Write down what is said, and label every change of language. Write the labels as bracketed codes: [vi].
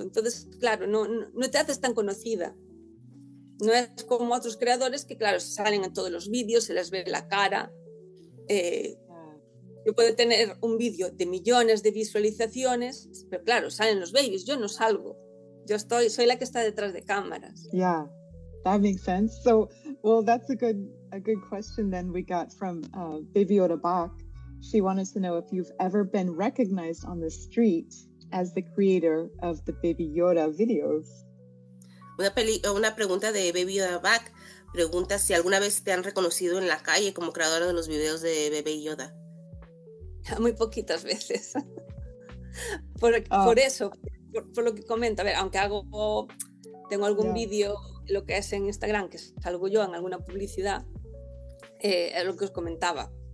[es] Entonces, claro, no te haces tan conocida. No es como otros creadores que, claro, salen en todos los vídeos, se les ve la cara. Yo puedo tener un vídeo de millones de visualizaciones, pero claro, salen los babies, yo no salgo. Yo soy la que está detrás de cámaras. [en] Yeah, that makes sense. So, well, that's a good question then we got from Baby Yoda Bach. She wanted to know if you've ever been recognized on the street as the creator of the Baby Yoda videos. [es] Una pregunta de Baby Yoda Back pregunta si alguna vez te han reconocido en la calle como creadora de los videos de Baby Yoda. Muy poquitas veces. Por eso, por lo que comento. A ver, aunque tengo algún vídeo, lo que es en Instagram, que salgo yo en alguna publicidad, es lo que os comentaba.